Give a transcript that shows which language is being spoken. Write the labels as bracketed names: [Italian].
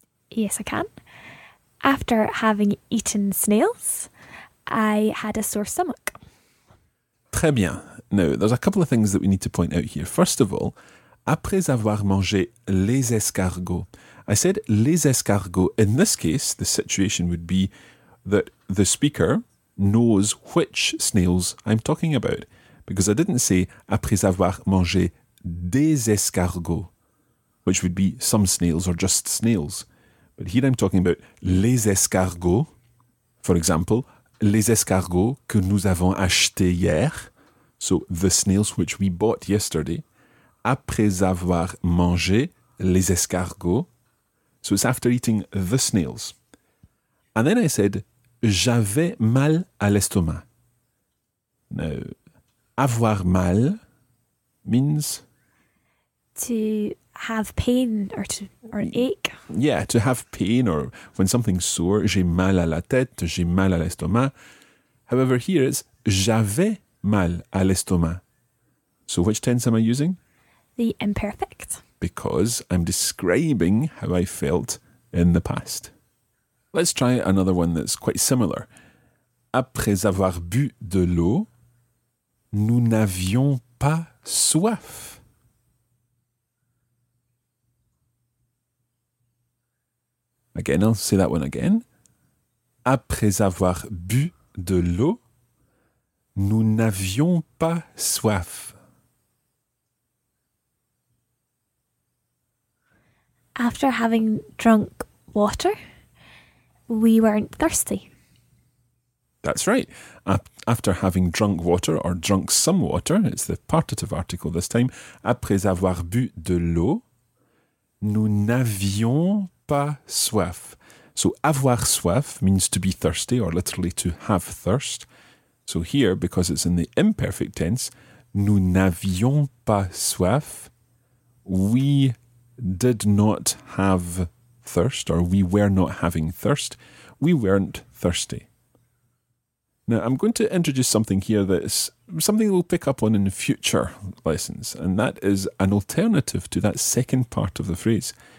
[English] Yes, I can. After having eaten snails, I had a sore stomach. [French] Très bien. [English] Now, there's a couple of things that we need to point out here. First of all, [French] après avoir mangé les escargots. [English] I said [French] les escargots. [English] In this case, the situation would be that the speaker knows which snails I'm talking about. Because I didn't say [French] après avoir mangé des escargots, [English] which would be some snails or just snails. But here I'm talking about [French] les escargots. [English] For example, [French] les escargots que nous avons achetés hier. [English] So the snails which we bought yesterday. [French] Après avoir mangé les escargots. [English] So it's after eating the snails. And then I said, [French] j'avais mal à l'estomac. [English] Now, [French] avoir mal [English] means... to have pain or ache. Yeah, to have pain or when something's sore. [French] J'ai mal à la tête, j'ai mal à l'estomac. [English] However, here it's [French] j'avais mal à l'estomac. [English] So which tense am I using? The imperfect. Because I'm describing how I felt in the past. Let's try another one that's quite similar. [French] Après avoir bu de l'eau, nous n'avions pas soif. [English] Again, I'll say that one again. [French] Après avoir bu de l'eau, nous n'avions pas soif. [English] After having drunk water, we weren't thirsty. That's right. After having drunk water or drunk some water, it's the partitive article this time. [French] Après avoir bu de l'eau, nous n'avions pas soif. [English] So [French] avoir soif [English] means to be thirsty or literally to have thirst. So here, because it's in the imperfect tense, [French] nous n'avions pas soif, [English] we did not have thirst or we were not having thirst. We weren't thirsty. Now, I'm going to introduce something here that's something we'll pick up on in future lessons, and that is an alternative to that second part of the phrase.